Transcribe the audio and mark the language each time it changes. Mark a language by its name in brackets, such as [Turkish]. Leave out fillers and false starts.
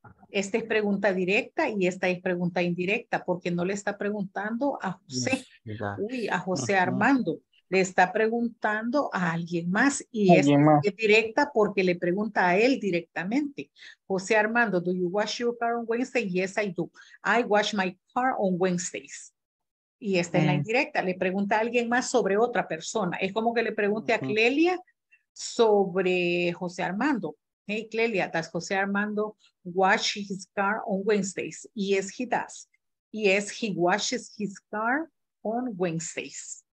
[Spanish] Esta es pregunta directa y esta es pregunta indirecta porque no le está preguntando a José, uy, a José Armando, le está preguntando a alguien más y ¿Alguien más? Es directa porque le pregunta a él directamente. [English] José Armando, do you wash your car on Wednesday? Yes, I do. I wash my car on Wednesdays. [Spanish] Y esta es la indirecta, le pregunta a alguien más sobre otra persona. Es como que le pregunte a Clelia sobre José Armando. [English] Hey, Clelia, does José Armando wash his car on Wednesdays? Yes, he does. Yes, he washes his car on Wednesdays.